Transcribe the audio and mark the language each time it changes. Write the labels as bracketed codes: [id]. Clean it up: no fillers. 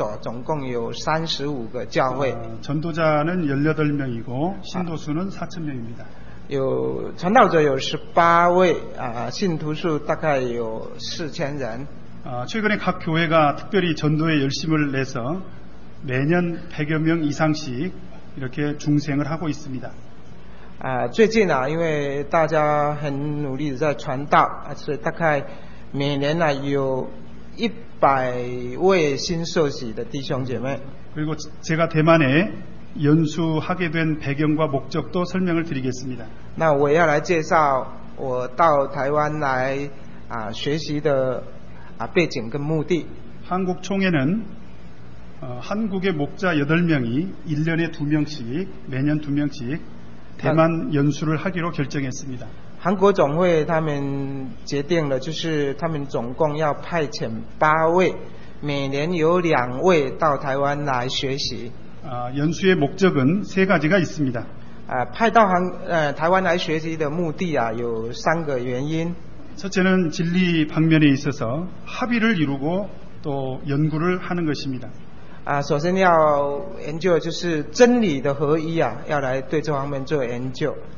[zh] 한국啊，包括这个祈祷所，总共有35个教会。 [ko] 전도자는 18명이고 신도수는 4천명입니다. [zh] 有传道者有十八位啊，信徒数大概有四千人。 [ko] 啊，최근에각교회가특별히전도에열심을내서매년100여명이상씩이렇게중생을하고있습니다。 [zh] 啊，最近啊，因为大家很努力在传道，是大概每年呢、啊、有一百位新受洗的弟兄姐妹。 [ko] 그리고제가대만에연수하게된배경과목적도설명을드리겠습니다 [zh] 那我要来介绍我到台湾来啊学习的啊背景跟目的。 [ko] 한국총회는한국의목자8명이1년에2명씩매년2명씩대만연수를하기로결정했습니다 [zh] 한국总会他们决定了就是他们总共要派遣8位每年有2位到台湾来学习 [ko] 아연수의목적은세가지가있습니다 [zh] 아派到한台湾来学习的目的啊有三个原因 [ko] 첫째는진리방면에있어서합의를이루고또연구를하는것입니다 [zh] 아首先要研究就是真理的合一啊要来对这方面做研究